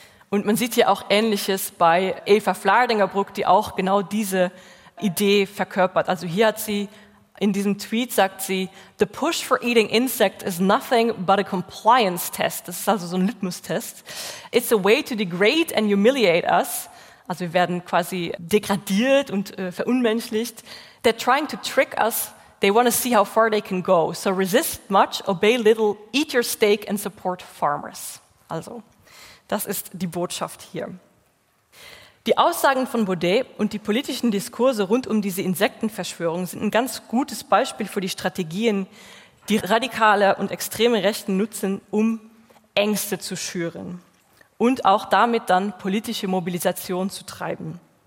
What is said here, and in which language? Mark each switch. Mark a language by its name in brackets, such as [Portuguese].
[German] Und man sieht hier auch Ähnliches bei Eva Flardingerbrück, die auch genau diese Idee verkörpert. Also hier hat sie, in diesem Tweet sagt sie, [English] the push for eating insects is nothing but a compliance test. [German] Das ist also so ein Litmus-Test. [English] It's a way to degrade and humiliate us. [German] Also wir werden quasi degradiert und verunmenschlicht. [English] They're trying to trick us. They want to see how far they can go. So resist much, obey little, eat your steak and support farmers. [German] Also, das ist die Botschaft hier. Die Aussagen von Baudet und die politischen Diskurse rund um diese Insektenverschwörung sind ein ganz gutes Beispiel für die Strategien, die radikale und extreme Rechten nutzen, um Ängste zu schüren und auch damit dann politische Mobilisation zu treiben.